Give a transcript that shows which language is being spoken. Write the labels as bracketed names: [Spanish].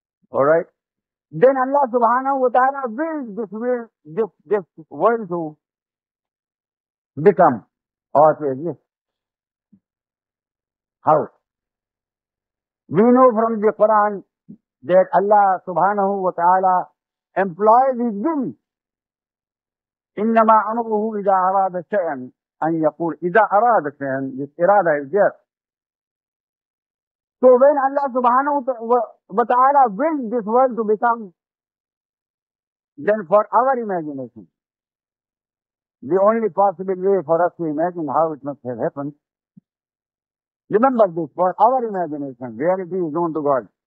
[English] All right. Then Allah subhanahu wa ta'ala willed this world, this world to become. Or say, yes. How? We know from the Quran that Allah subhanahu wa ta'ala employs his will. [Arabic] إِنَّمَا أَمْرُهُ إِذَا أَرَادَ شَيْئًا أَنْ يَقُولْ إِذَا أَرَادَ شَيْئًا. [English] This irada is there. So when Allah subhanahu wa ta'ala willed this world to become, then for our imagination, the only possible way for us to imagine how it must have happened, remember this, for our imagination, reality is known to God.